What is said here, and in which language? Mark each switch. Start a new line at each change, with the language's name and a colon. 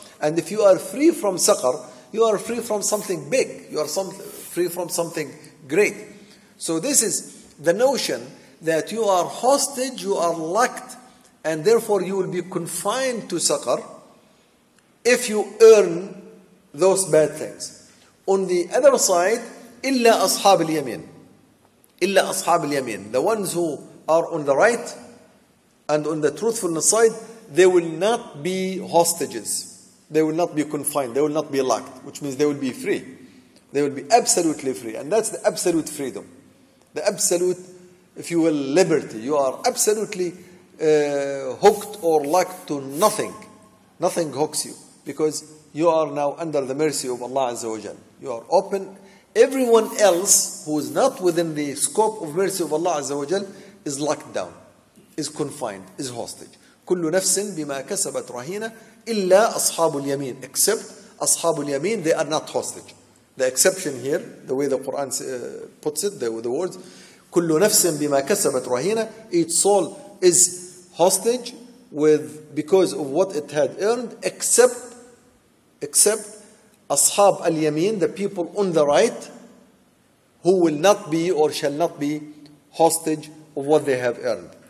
English: And if you are free from سقر, you are free from something big. You are free from something great. So this is the notion that you are hostage, you are locked, and therefore you will be confined to سقر if you earn those bad things. On the other side,
Arabic: إلا أصحاب اليمين. إلا أصحاب اليمين.
English: The ones who are on the right and on the truthfulness side, they will not be hostages. They will not be confined. They will not be locked, which means they will be free. They will be absolutely free. And that's the absolute freedom. The absolute, if you will, liberty. You are absolutely hooked or locked to nothing. Nothing hooks you because you are now under the mercy of Allah Azza wa Jal. You are open. Everyone else who is not within the scope of mercy of Allah Azza wa Jal is locked down, is confined, is hostage.
Arabic: كل نفس بما كسبت رهينة إلا أصحاب اليمين.
English: Except
Arabic: أصحاب اليمين,
English: they are not hostage. The exception here, the way the Quran puts it, the words,
Arabic: كل نفس بما كسبت رهينة,
English: each soul is hostage because of what it had earned, except
Arabic: أصحاب اليمين,
English: the people on the right, who will not be or shall not be hostage of what they have earned.